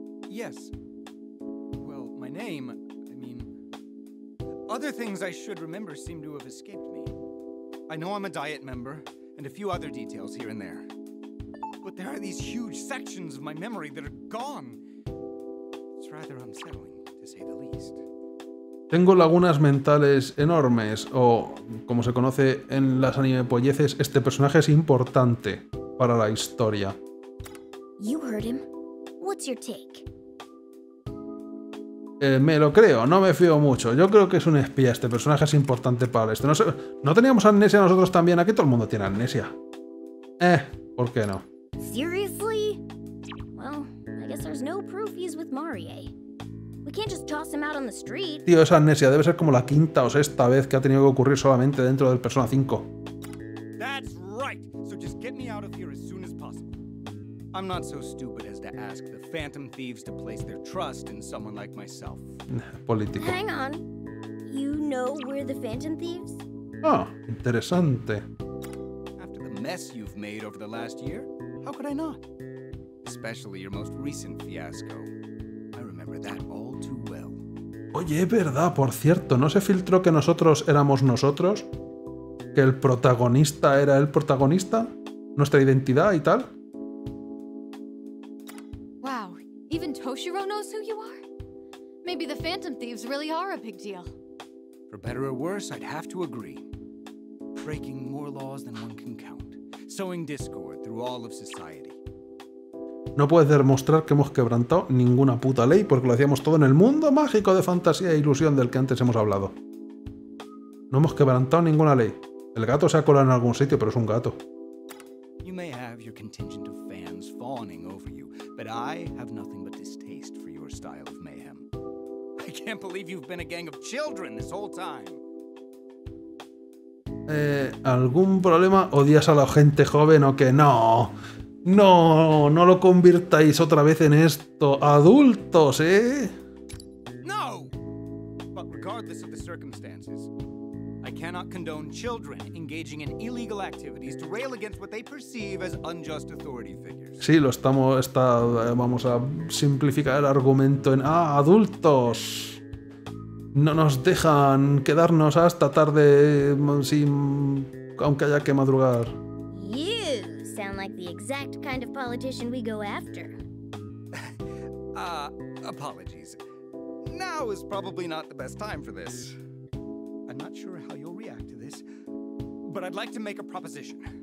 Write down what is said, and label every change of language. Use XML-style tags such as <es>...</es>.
<en>Yes. Well, my name, other things I should remember seem to have escaped me. I know I'm a Diet member, and a few other details here and there. But there are these huge sections of my memory that are gone. It's rather unsettling, to say the least.</en> <es>Tengo lagunas mentales enormes, o como se conoce en las anime polleces, este personaje es importante para la historia.</es> <en>You heard him. What's your take?</en> <es>Me lo creo, no me fío mucho. Yo creo que es un espía, este personaje es importante para esto. ¿No teníamos amnesia nosotros también? Aquí todo el mundo tiene amnesia. ¿Por qué no?</es> <en>Seriously? Well, I guess there's no proof he's with Marie. We can't just toss him out on the street.</en> <es>Tío, esa amnesia debe ser como la quinta o sexta vez que ha tenido que ocurrir solamente dentro del Persona 5.</es> <en>That's right. So just get me out of here as soon as possible. I'm not so stupid as to ask the phantom thieves to place their trust in someone like myself.</en> <es>Político.</es> <en>Hang on. You know we're the phantom thieves?</en> <es>Oh, interesante.</es> <en>After the mess you've made over the last year, how could I not? Especially your most recent fiasco. I remember that all too well.</en> <es>Oye, verdad, por cierto, ¿no se filtró que nosotros éramos nosotros? ¿Que el protagonista era el protagonista? ¿Nuestra identidad y tal?</es> <en>Wow, even Toshiro knows who you are? Maybe the Phantom Thieves really are a big deal. For better or worse, I'd have to agree. Breaking more laws than one can count. Sowing discord through all of society.</en> <es>No puedes demostrar que hemos quebrantado ninguna puta ley porque lo hacíamos todo en el mundo mágico de fantasía e ilusión del que antes hemos hablado. No hemos quebrantado ninguna ley. El gato se ha colado en algún sitio, pero es un gato.</es> <en>You may have your contingent of fans fawning over you, but I have nothing but distaste for your style of mayhem. I can't believe you've been a gang of children this whole time.</en> <es>¿Algún problema? ¿Odias a la gente joven o qué? ¡No! ¡No! ¡No lo convirtáis otra vez en esto! ¡Adultos, No!</es> <en>But regardless of the circumstances, I cannot condone children engaging in illegal activities to rail against what they perceive as unjust authority figures.</en> <es>Sí, lo estamos... vamos a simplificar el argumento en... ¡Ah, adultos! No nos dejan quedarnos hasta tarde, aunque haya que madrugar.</es> <en>You sound like the exact kind of politician we go after. Apologies. Now is probably not the best time for this. I'm not sure how you'll react to this, but I'd like to make a proposition.</en>